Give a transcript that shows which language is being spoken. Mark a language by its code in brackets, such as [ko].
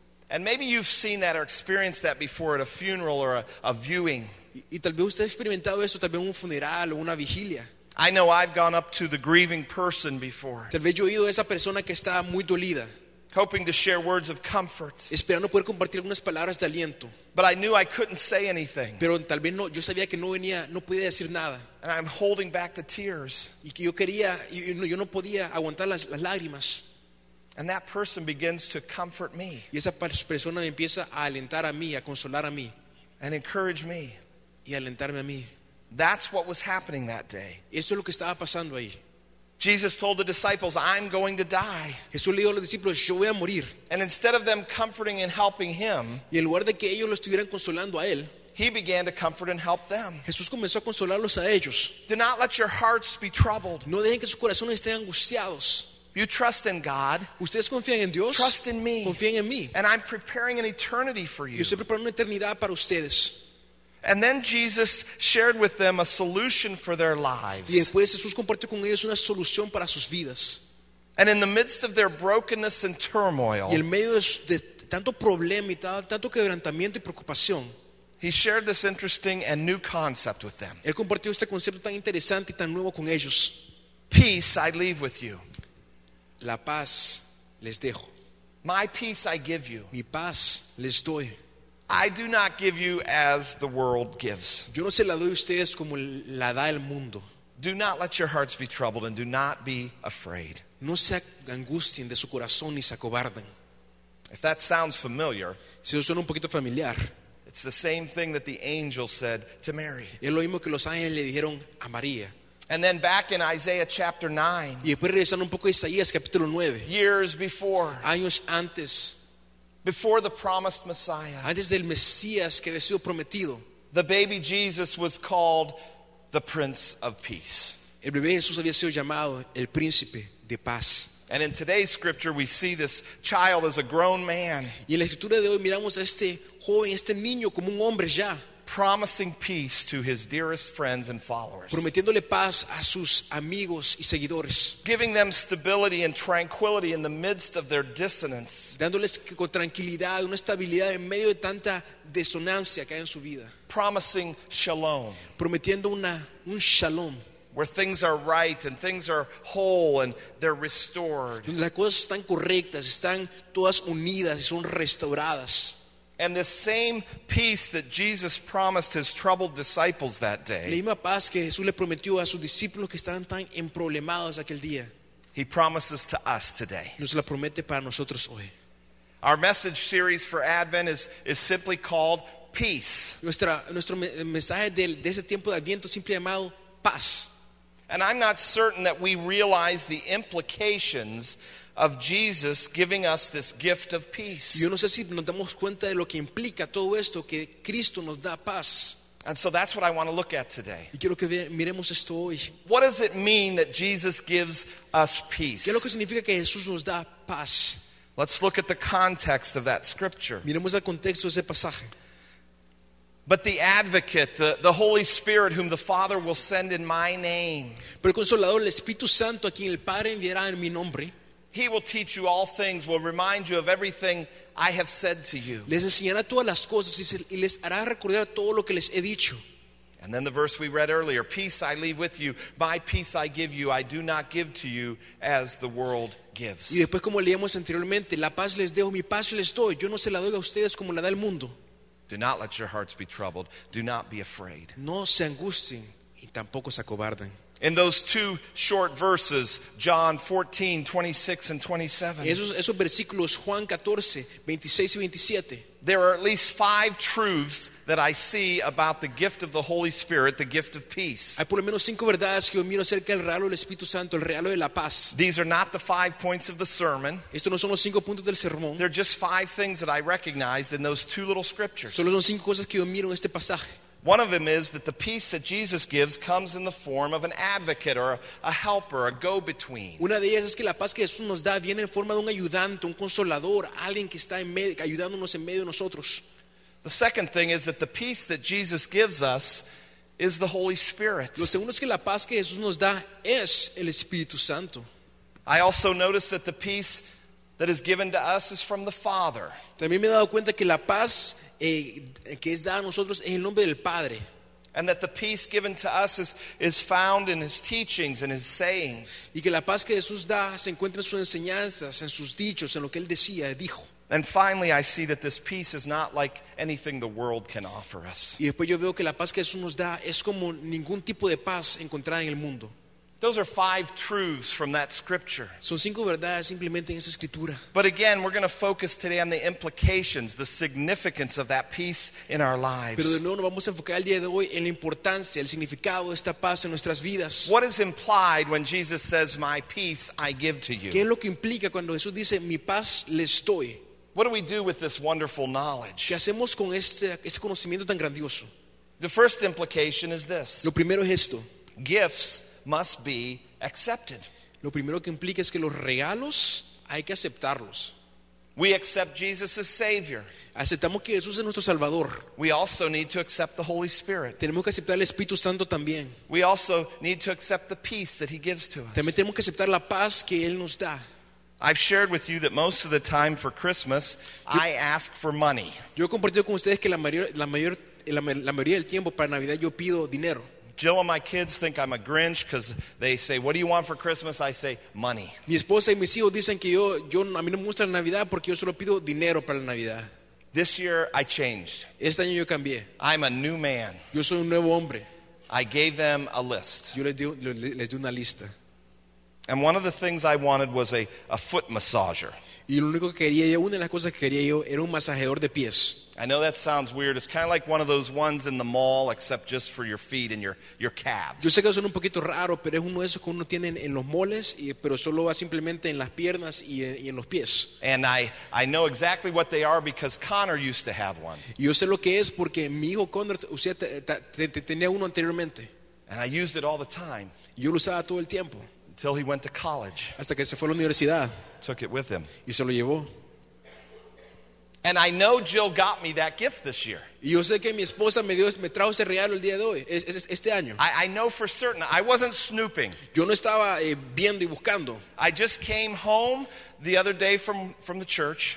[en] And maybe you've seen that or experienced that before at a funeral or a viewing. [es] Y tal vez usted ha experimentado eso, tal vez un funeral o una vigilia. [en] I know I've gone up to the grieving person before. [es] Tal vez yo he ido a esa persona que está muy dolida. [en] Hoping to share words of comfort. [es] Esperando poder compartir algunas palabras de aliento. [en] But I knew I couldn't say anything. [es] Pero tal vez no, yo sabía que no venía, no podía decir nada. [en] And I'm holding back the tears. [es] Y que yo quería, yo no podía aguantar las lágrimas. [en] And that person begins to comfort me. [es] Y esa persona empieza a alentar a mí, a consolar a mí. [en] And encourage me. [es] Y alentarme a mí. [en] That's what was happening that day. [es] Eso es lo que estaba pasando ahí. [en] Jesus told the disciples, I'm going to die. [es] Jesús le dijo a los discípulos, yo voy a morir. [en] And instead of them comforting and helping him, [es] y en lugar de que ellos lo estuvieran consolando a él, [en] he began to comfort and help them. [es] Jesús comenzó a consolarlos a ellos. [en] Do not let your hearts be troubled. [es] No dejen que sus corazones estén angustiados. [en] You trust in God. [es] Ustedes confían en Dios. [en] Trust in me. [es] Confían en mí. [en] And I'm preparing an eternity for you. [es] Yo estoy preparando una eternidad para ustedes. [en] And then Jesus shared with them a solution for their lives. [es] Y después Jesús compartió con ellos una solución para sus vidas. [en] And in the midst of their brokenness and turmoil, [es] y en medio de tanto problema y tanto quebrantamiento y preocupación, [en] He shared this interesting and new concept with them. [es] Él compartió este concepto tan interesante y tan nuevo con ellos. [en] Peace I leave with you. [es] La paz les dejo. [en] My peace I give you. [es] Mi paz les doy. [en] I do not give you as the world gives. [es] Yo no se la doy a ustedes como la da el mundo. [en] Do not let your hearts be troubled and do not be afraid. [es] No se angustien de su corazón ni se acobarden. [en] If that sounds familiar, [es] si eso suena un poquito familiar, [en] it's the same thing that the angel said to Mary. [es] Es lo mismo que los ángeles le dijeron a María. [en] And then back in Isaiah chapter 9, [es] y después regresando un poco a Isaías capítulo 9, [en] years before, [es] años antes, [en] before the promised Messiah, [es] antes del Mesías que había sido prometido, [en] the baby Jesus was called the Prince of Peace. [es] El bebé Jesús había sido llamado el Príncipe de Paz. [en] And in today's scripture, we see this child as a grown man. [es] Y en la escritura de hoy miramos a este joven, este niño como un hombre ya. [en] Promising peace to his dearest friends and followers. [es] Prometiéndole paz a sus amigos y seguidores. [en] Giving them stability and tranquility in the midst of their dissonance. [es] Dándoles con tranquilidad, una estabilidad en medio de tanta desonancia que hay en su vida. [en] Promising shalom. [es] Prometiendo un shalom. [en] Where things are right and things are whole and they're restored. [es] Las cosas están correctas, están todas unidas y son restauradas. [en] And the same peace that Jesus promised his troubled disciples that day. [es] La misma paz que Jesús le prometió a sus discípulos que estaban tan emproblemados aquel día. [en] He promises to us today. [es] Nos la promete para nosotros hoy. [en] Our message series for Advent is simply called Peace. [es] Nuestro mensaje de ese tiempo de Adviento simple llamado Paz. [en] And I'm not certain that we realize the implications of Jesus giving us this gift of peace. [es] Yo no sé si nos damos cuenta de lo que implica todo esto que Cristo nos da paz. [en] And so that's what I want to look at today. [es] Y quiero que miremos esto hoy. [en] What does it mean that Jesus gives us peace? [es] ¿Qué es lo que significa que Jesús nos da paz? [en] Let's look at the context of that scripture. [es] Miremos el contexto de ese pasaje. [en] But the Advocate, the Holy Spirit, whom the Father will send in my name. [es] Pero el Consolador, el Espíritu Santo, a quien el Padre enviará en mi nombre. [en] He will teach you all things, will remind you of everything I have said to you. [es] Les enseñará todas las cosas y les hará recordar todo lo que les he dicho. [en] And then the verse we read earlier, peace I leave with you, my peace I give you, I do not give to you as the world gives. [es] Y después como leíamos anteriormente, la paz les dejo, mi paz les doy, yo no se la doy a ustedes como la da el mundo. [en] Do not let your hearts be troubled. Do not be afraid. [es] No se angustien y tampoco se acobarden. [en] In those two short verses, John 14, 26 and 27. [es] Esos versículos, Juan 14, 26 y 27. [en] There are at least five truths that I see about the gift of the Holy Spirit, the gift of peace. [es] Hay por lo menos cinco verdades que yo miro acerca del regalo del Espíritu Santo, el regalo de la paz. [en] These are not the 5 points of the sermon. [es] Estos no son los cinco puntos del sermón. [en] They're just five things that I recognized in those two little scriptures. [es] Solo son cinco cosas que yo miro en este pasaje. [en] One of them is that the peace that Jesus gives comes in the form of an advocate or a helper, a go-between. [es] Una de ellas es que la paz que Jesús nos da viene en forma de un ayudante, un consolador, alguien que está en medio, ayudándonos en medio de nosotros. [en] The second thing is that the peace that Jesus gives us is the Holy Spirit. [es] Lo segundo es que la paz que Jesús nos da es el Espíritu Santo. [en] I also notice that the peace that is given to us is from the Father. [es] También me he dado cuenta que la paz que es dada a nosotros en el nombre del Padre. [en] And that the peace given to us is found in his teachings and his sayings. [es] Y que la paz que Jesús da se encuentra en sus enseñanzas, en sus dichos, en lo que él decía, dijo. [en] And finally I see that this peace is not like anything the world can offer us. [es] Y después yo veo que la paz que Jesús nos da es como ningún tipo de paz encontrada en el mundo. [en] Those are five truths from that scripture. [es] Son cinco verdades simplemente en esa escritura. [en] But again, we're going to focus today on the implications, the significance of that peace in our lives. [es] Pero de nuevo nos vamos a enfocar el día de hoy en la importancia, el significado de esta paz en nuestras vidas. [en] What is implied when Jesus says, "My peace I give to you"? [es] ¿Qué es lo que implica cuando Jesús dice, "Mi paz les doy"? [en] What do we do with this wonderful knowledge? [es] ¿Qué hacemos con este conocimiento tan grandioso? [en] The first implication is this. [es] Lo primero es esto. [en] Gifts must be accepted. [es] Lo primero que implica es que los regalos hay que aceptarlos. [en] We accept Jesus as Savior. [es] Aceptamos que Jesús es nuestro Salvador. [en] We also need to accept the Holy Spirit. [es] Tenemos que aceptar el Espíritu Santo también. [en] We also need to accept the peace that He gives to us. [es] También tenemos que aceptar la paz que Él nos da. [en] I've shared with you that most of the time for Christmas, I ask for money. [es] Yo he compartido con ustedes que la mayor la mayoría del tiempo para Navidad yo pido dinero. [en] Jill and my kids think I'm a Grinch because they say, "What do you want for Christmas?" I say, "Money." [es] Mi esposa y mis hijos dicen que yo a mí no me gusta la Navidad porque yo solo pido dinero para la Navidad. [en] This year I changed. [es] Este año yo cambié. [en] I'm a new man. [es] Yo soy un nuevo hombre. [en] I gave them a list. [es] Yo les di una lista. [en] And one of the things I wanted was a foot massager. [es] Y lo único que quería yo, una de las cosas que quería yo era un masajeador de pies. [en] I know that sounds weird. It's kind of like one of those ones in the mall, except just for your feet and your calves. [es] Yo sé que suena un poquito raro, pero es uno de esos que uno tiene en los moles, pero solo va simplemente en las piernas y en los pies. [en] And I know exactly what they are because Connor used to have one. [es] Yo sé lo que es porque mi hijo Connor tenía uno anteriormente. [en] And I used it all the time. [es] Yo lo usaba todo el tiempo. [en] Until he went to college. [es] Hasta que se fue a la universidad. [en] Took it with him. [es] Y se lo llevó. [en] And I know Jill got me that gift this year. [es] Y yo sé que mi esposa me trajo ese regalo el día de hoy, este año. [en] I know for certain. I wasn't snooping. [es] Yo no estaba viendo y buscando. [en] I just came home the other day from the church.